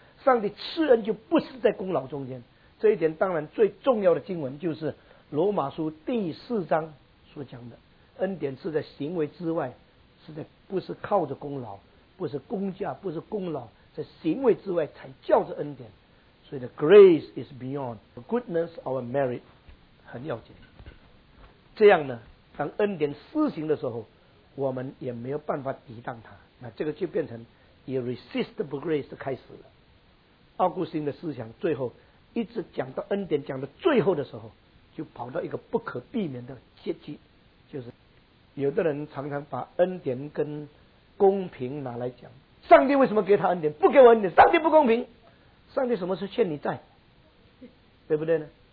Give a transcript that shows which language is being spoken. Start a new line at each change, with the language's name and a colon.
Chinese: 上帝赐恩就不是在功劳中间。这一点当然最重要的经文就是。罗马书第四章所讲的恩典是在行为之外，是在不是靠着功劳，不是工价，不是功劳，在行为之外才叫着恩典。所以
English: the grace is beyond the goodness of our merit，
Chinese: 很要紧。这样呢，当恩典施行的时候，我们也没有办法抵挡它，那这个就变成
English: irresistible grace
Chinese: 开始了。奥古斯丁的思想最后一直讲到恩典，讲到最后的时候就跑到一个不可避免的结局，就是有的人常常把恩典跟公平拿来讲，上帝为什么给他恩典，不给我恩典，上帝不公平，上帝什么是欠你债，对不对呢？